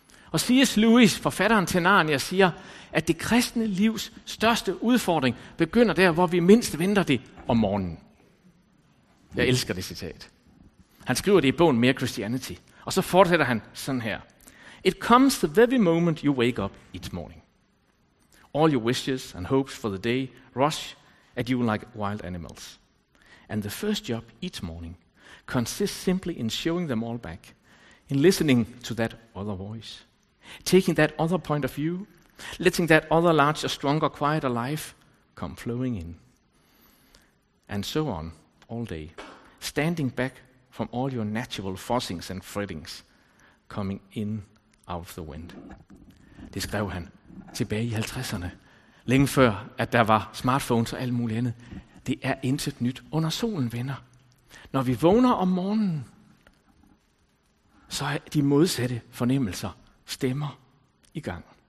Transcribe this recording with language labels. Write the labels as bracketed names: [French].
[Danish] Og C.S. Lewis, forfatteren til Narnia, siger, at det kristne livs største udfordring begynder der, hvor vi mindst venter det om morgenen. Jeg elsker det citat. Han skriver det i bogen Mere Christianity. Og så fortsætter han sådan her. [English] It comes the very moment you wake up each morning. All your wishes and hopes for the day rush at you like wild animals. And the first job each morning consists simply in showing them all back, in listening to that other voice, taking that other point of view, letting that other larger, stronger, quieter life come flowing in. And so on, all day, standing back from all your natural fussings and frettings coming in out of the wind. [Danish] Det skrev han tilbage i 50'erne, længe før at der var smartphones og alt muligt andet. Det er intet nyt under solen, venner. Når vi vågner om morgenen, så er de modsatte fornemmelser stemmer i gang.